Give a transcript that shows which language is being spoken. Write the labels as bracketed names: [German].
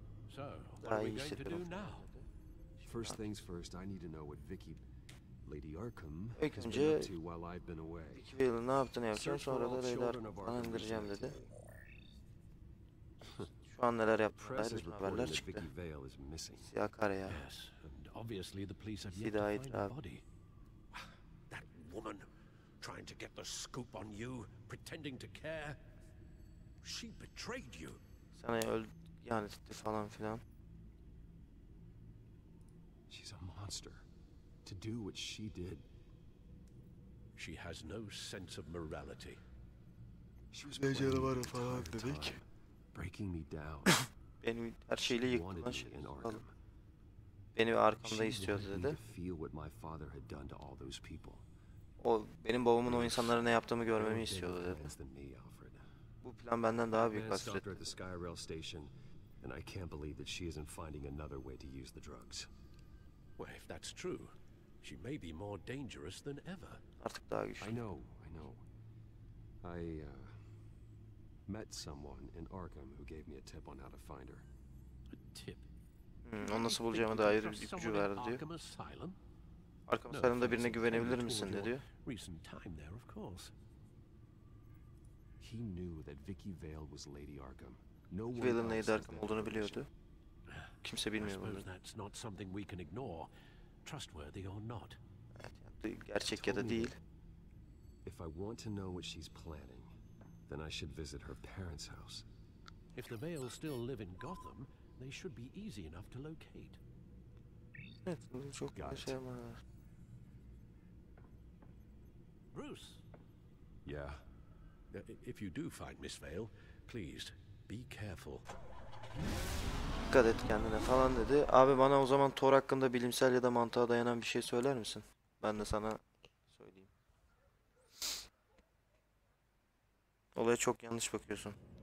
[English] So, what are we going to do now? First things first, I need to know what Vicky Lady Arkham has been up to while I've been away. [Turkish] Vicky Vale'ın ne yaptığını yapacağım, sonra da Lady Arkham'ı indireceğim dedi. Şu an neler yaptıklar, haberler çıktı. Siyah kare ya. [English] Yes, and obviously the police have yet to find the body. That woman trying to get the scoop on you, pretending to care. She betrayed you. [Turkish] Sana ihanet etti falan filan. [English] She's a monster. To do what she did. She has no sense of morality. She was playing the entire time. Breaking me down. [Turkish] Beni her şeyle yıktı lan. Beni arkamda istiyordu dedi. [English] Feel what my father had done to all those people. [Turkish] O benim babamın o insanlara ne yaptığımı görmemi istiyordu dedi. Bu plan benden daha büyük hasret. [English] At the Skyrail station, and I can't believe that she isn't finding another way to use the drugs. Well, if that's true, she may be more dangerous than ever. [Turkish] Artık daha güçlü. [English] I know, I know. Met someone in Arkham who gave me a tip on how to find her. A tip. [Turkish] Onu nasıl bulacağıma dair bir ipucu verdi diyor. Arkham Asylum'da birine güvenebilir misin de diyor. [English] Recent time there, of course. He knew that Vicky Vale was Lady Arkham. No one [Turkish] olduğunu biliyordu. Kimse bilmiyor bunu. [English] That's not something we can ignore, trustworthy or not. [Turkish] Gerçek ya da değil. [English] If I want to know what she's planning, then I should visit her parents' house. If the Vales still live in Gotham, they should be easy enough to locate. Bruce. Yeah. If you do find Miss Vale, please be careful. [Turkish] Dikkat et kendine falan dedi. Abi bana o zaman Thor hakkında bilimsel ya da mantığa dayanan bir şey söyler misin? Ben de sana söyleyeyim. Olaya çok yanlış bakıyorsun.